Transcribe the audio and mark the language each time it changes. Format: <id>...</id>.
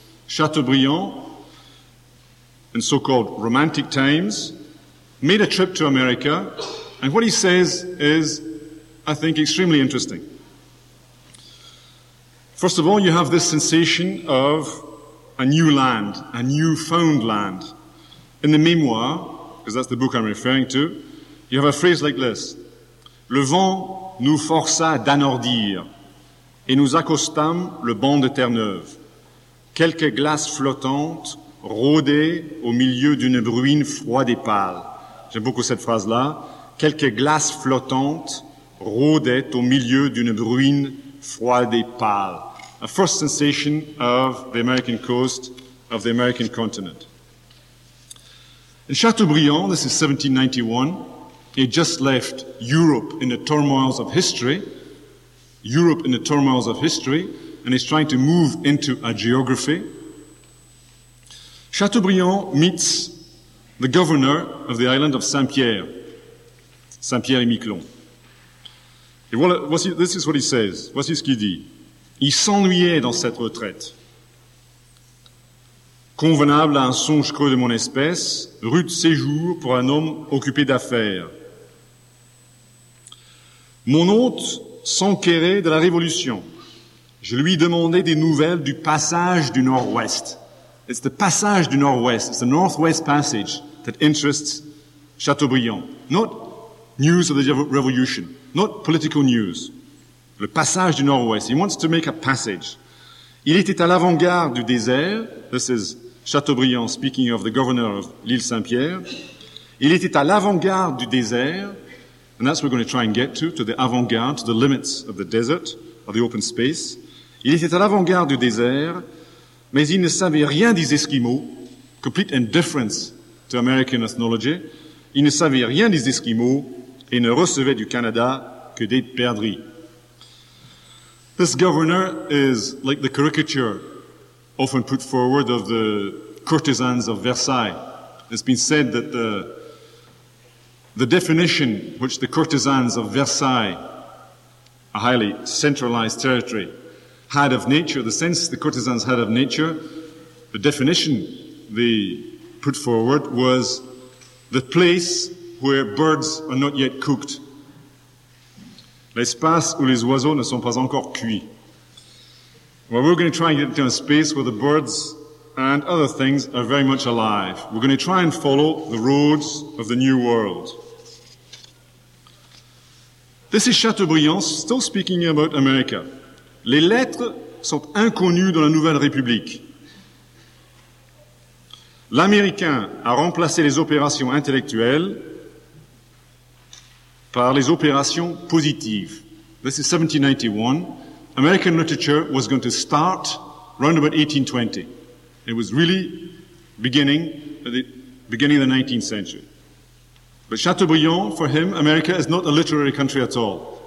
<en>Chateaubriand, in so-called Romantic times, made a trip to America, and what he says is, I think, extremely interesting. First of all, you have this sensation of a new land, a new found land. In the memoir, because that's the book I'm referring to, you have a phrase like this.</en> <fr>Le vent nous força d'anordir et nous accostâmes le banc de Terre-Neuve. Quelques glaces flottantes rôdaient au milieu d'une bruine froide et pâle. J'aime beaucoup cette phrase-là. Quelques glaces flottantes rôdaient au milieu d'une bruine froide et pâle.</fr> <en>A first sensation of the American coast, of the American continent. In Chateaubriand, this is 1791, he had just left Europe in the turmoils of history, Europe in the turmoils of history, and he's trying to move into a geography. Chateaubriand meets the governor of the island of Saint-Pierre, Saint-Pierre-et-Miquelon.</en> <fr>Et voilà, voici,</fr> <en>this is what he says,</en> <fr>voici ce qu'il dit. Il s'ennuyait dans cette retraite, convenable à un songe creux de mon espèce, rude séjour pour un homme occupé d'affaires. Mon hôte s'enquérait de la Révolution. Je lui demandais des nouvelles du passage du Nord-Ouest.</fr> <en>It's the passage du Nord-Ouest, it's the Northwest Passage that interests Chateaubriand. Not news of the Revolution, not political news.</en> <fr>Le passage du Nord-Ouest,</fr> <en>he wants to make a passage.</en> <fr>Il était à l'avant-garde du désert,</fr> <en>this is Chateaubriand speaking of the governor of l'île Saint-Pierre.</en> <fr>Il était à l'avant-garde du désert,</fr> <en>and that's what we're going to try and get to the avant-garde, to the limits of the desert, of the open space.</en> <fr>Il était à l'avant-garde du désert, mais il ne savait rien des Esquimaux,</fr> <en>complete indifference to American ethnology.</en> <fr>Il ne savait rien des Esquimaux et ne recevait du Canada que des perdrix.</fr> <en>This governor is like the caricature often put forward of the courtesans of Versailles. It's been said that the definition which the courtesans of Versailles, a highly centralized territory, had of nature, the sense the courtesans had of nature, the definition they put forward was the place where birds are not yet cooked.</en> <fr>L'espace où les oiseaux ne sont pas encore cuits.</fr> <en>Well, we're going to try and get into a space where the birds and other things are very much alive. We're going to try and follow the roads of the new world. This is Chateaubriand still speaking about America.</en> <fr>Les lettres sont inconnues dans la Nouvelle République. L'Américain a remplacé les opérations intellectuelles par les opérations positives.</fr> <en>This is 1791. American literature was going to start around about 1820. It was really beginning of the 19th century. But Chateaubriand, for him, America is not a literary country at all.</en>